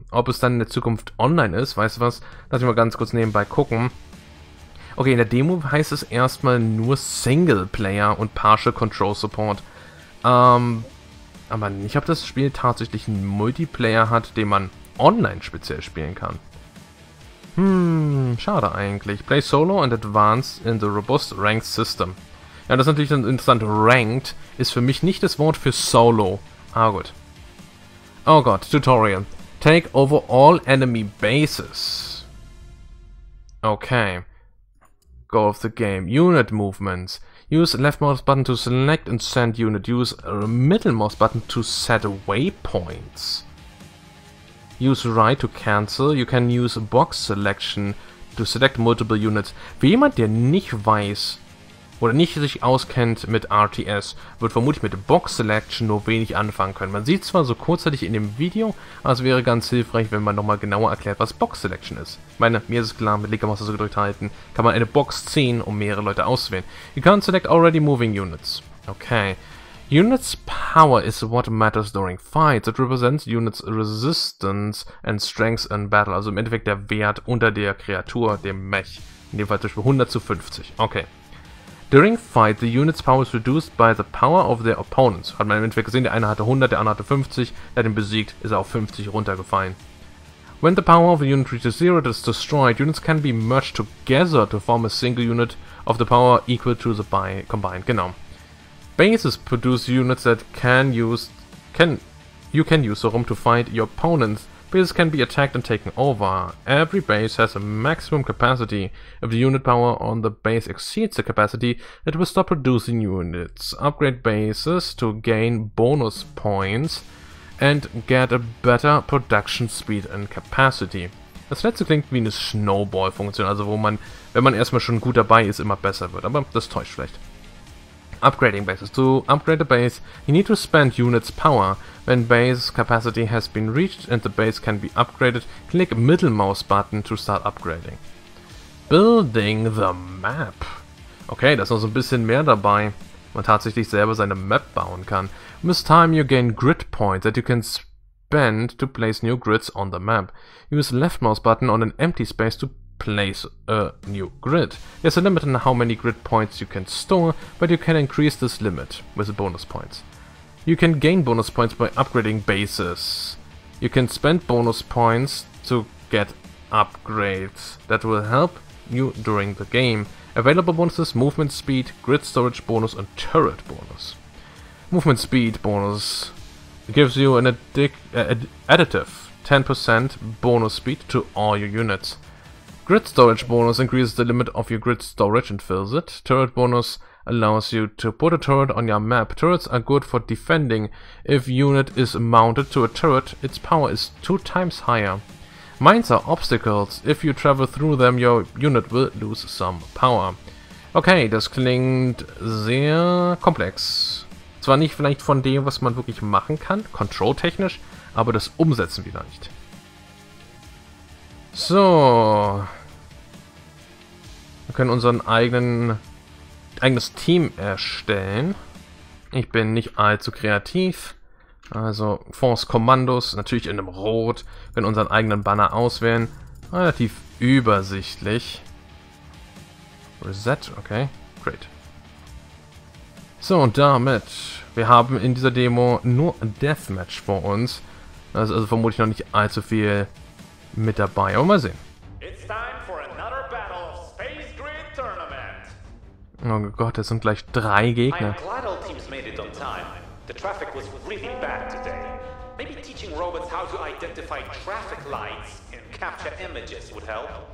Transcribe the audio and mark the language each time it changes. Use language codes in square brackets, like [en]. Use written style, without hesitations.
[de] Ob es dann in der Zukunft online ist, weißt du was? Lass mich mal ganz kurz nebenbei gucken. Okay, in der Demo heißt es erstmal nur Singleplayer und Partial Control Support. Aber nicht, ob das Spiel tatsächlich einen Multiplayer hat, den man online speziell spielen kann. Schade eigentlich. [en] Play solo and advance in the robust ranked system. [de] Ja, das ist natürlich dann interessant. Ranked ist für mich nicht das Wort für solo. Ah, gut. Oh Gott, [en] Tutorial. Take over all enemy bases. Okay. Go of the game. Unit movements. Use left mouse button to select and send unit. Use middle mouse button to set waypoints. Use right to cancel. You can use box selection to select multiple units. [de] Für jemand, der nicht weiß oder nicht sich auskennt mit RTS, wird vermutlich mit Box Selection nur wenig anfangen können. Man sieht zwar so kurzzeitig in dem Video, aber es wäre ganz hilfreich, wenn man nochmal genauer erklärt, was Box Selection ist. Ich meine, mir ist es klar, mit linker Maus so gedrückt halten, kann man eine Box ziehen, um mehrere Leute auszuwählen. [en] You can select already moving units. Okay. Units power is what matters during fights. It represents units resistance and strength in battle. [de] Also im Endeffekt der Wert unter der Kreatur, dem Mech. In dem Fall zum Beispiel 100 zu 50. Okay. [en] During fight, the unit's power is reduced by the power of their opponents. [de] Hat man im Endeffekt gesehen, der eine hatte 100, der andere hatte 50. Der hat ihn besiegt, ist er auf 50 runtergefallen. [en] When the power of a unit reaches zero, it is destroyed. Units can be merged together to form a single unit of the power equal to the combined. Genau. Bases produce units that can use to fight your opponents. Bases can be attacked and taken over. Every base has a maximum capacity. If the unit power on the base exceeds the capacity, it will stop producing units. Upgrade bases to gain bonus points and get a better production speed and capacity. [de] Das letzte klingt wie eine Snowball-Funktion, also wo man, wenn man erstmal schon gut dabei ist, immer besser wird, aber das täuscht vielleicht. [en] Upgrading bases. To upgrade a base, you need to spend units power. When base capacity has been reached and the base can be upgraded, click middle mouse button to start upgrading. Building the map. [de] Okay, da ist noch so ein bisschen mehr dabei. Man tatsächlich selber seine Map bauen kann. [en] This time you gain grid points that you can spend to place new grids on the map. Use left mouse button on an empty space to place a new grid. There's a limit on how many grid points you can store, but you can increase this limit with bonus points. You can gain bonus points by upgrading bases. You can spend bonus points to get upgrades that will help you during the game. Available bonuses, movement speed, grid storage bonus, and turret bonus. Movement speed bonus gives you an additive 10% bonus speed to all your units. Grid Storage Bonus increases the limit of your grid storage and fills it. Turret Bonus allows you to put a turret on your map. Turrets are good for defending. If unit is mounted to a turret, its power is 2 times higher. Mines are obstacles. If you travel through them, your unit will lose some power. [de] Okay, das klingt sehr komplex. Zwar nicht vielleicht von dem, was man wirklich machen kann, kontrolltechnisch, aber das Umsetzen vielleicht. So, wir können unseren eigenes Team erstellen. Ich bin nicht allzu kreativ, also Force Kommandos, natürlich in einem Rot, wir können unseren eigenen Banner auswählen, relativ übersichtlich. [en] Reset, okay, great. [de] So, damit, wir haben in dieser Demo nur Deathmatch vor uns. Das ist also vermutlich noch nicht allzu viel mit dabei, aber mal sehen. [en] It's time for another battle of Space Grid Tournament. [de] Oh Gott, das sind gleich drei Gegner. [en] I'm glad all teams made it on time. The traffic was really bad today. Maybe teaching robots how to identify traffic lights and capture images would help.